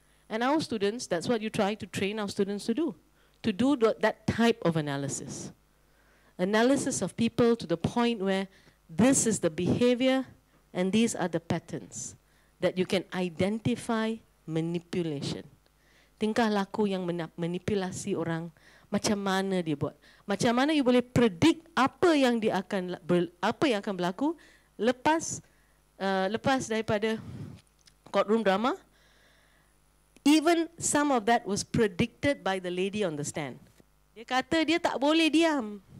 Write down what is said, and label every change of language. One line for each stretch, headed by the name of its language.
English: And our students, that's what you try to train our students to do that type of analysis. Analysis of people to the point where this is the behavior and these are the patterns that you can identify manipulation.
Malay: Tingkah laku yang manipulasi orang, macam mana dia buat. Macam mana you boleh predict apa yang akan berlaku lepas daripada courtroom drama.
English: Even some of that was predicted by the lady on the stand.
Malay: Dia kata dia tak boleh diam.